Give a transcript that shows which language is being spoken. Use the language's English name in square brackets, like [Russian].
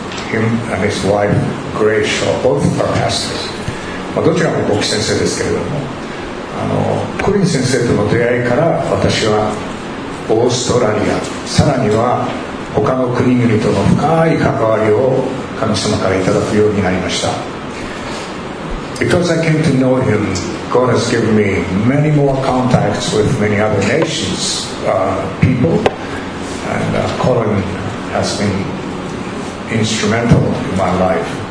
[English] Him and his wife, Gray Shaw, both are pastors. [Japanese] まあ、どちらも牧師先生ですけれども、あのコリン先生との出会いから私はオーストラリア、さらには他の国々との深い関わりを神様からいただくようになりました。 [English] Because I came to know him, God has given me many more contacts with many other nations, people, and Colin has been instrumental in my life.